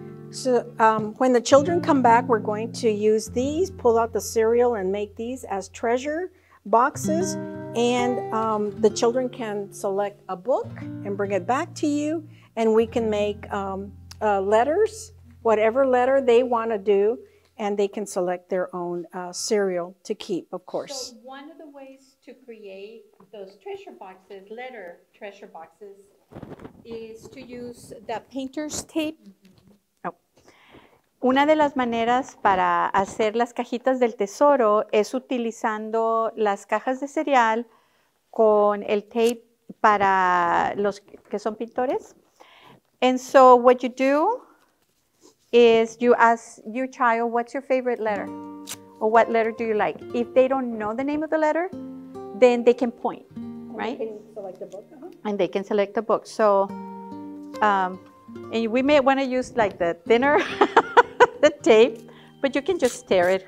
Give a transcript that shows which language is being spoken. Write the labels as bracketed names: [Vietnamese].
[English] So when the children come back, we're going to use these, pull out the cereal and make these as treasure boxes, and the children can select a book and bring it back to you, and we can make letters, whatever letter they want to do, and they can select their own cereal to keep, of course. So one of the ways to create those treasure boxes, letter treasure boxes, is to use the painter's tape. [Spanish] Una de las maneras para hacer las cajitas del tesoro es utilizando las cajas de cereal con el tape para los que son pintores. [English] And so what you do is you ask your child, what's your favorite letter? Or what letter do you like? If they don't know the name of the letter, then they can point, right? And they can select a book. Uh-huh. And they can select a book. So and we may want to use like the thinner the tape, but you can just tear it.